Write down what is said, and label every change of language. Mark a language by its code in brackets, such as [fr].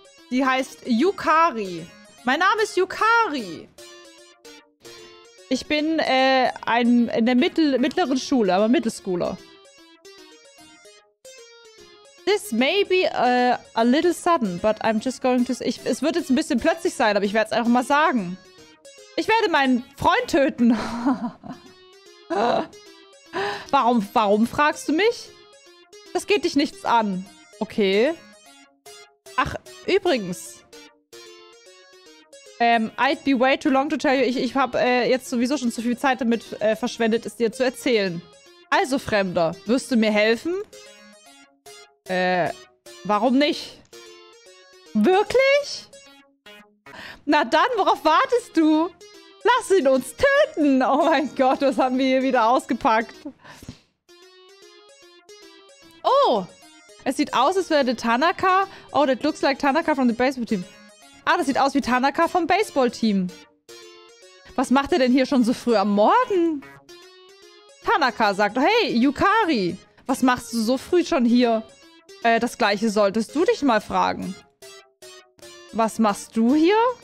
[de] Die heißt Yukari. Mein Name ist Yukari. Ich bin in der mittleren Schule, aber Mittelschooler. [en] This may be a little sudden, but I'm just going to... [de] Es wird jetzt ein bisschen plötzlich sein, aber ich werde es einfach mal sagen. Ich werde meinen Freund töten. Warum fragst du mich? Das geht dich nichts an. Okay. Ach, übrigens. [en] I'd be way too long to tell you. [de] Ich habe jetzt sowieso schon zu viel Zeit damit verschwendet, es dir zu erzählen. Also, Fremder, wirst du mir helfen? Warum nicht? Wirklich? Na dann, worauf wartest du? Lass ihn uns töten! Oh mein Gott, was haben wir hier wieder ausgepackt? Oh! Es sieht aus, als wäre Tanaka. [en] Oh, that looks like Tanaka from the baseball team. [de] Ah, das sieht aus wie Tanaka vom baseball team. Was macht er denn hier schon so früh am Morgen? Tanaka sagt, hey, Yukari, was machst du so früh schon hier? Das gleiche solltest du dich mal fragen. Was machst du hier?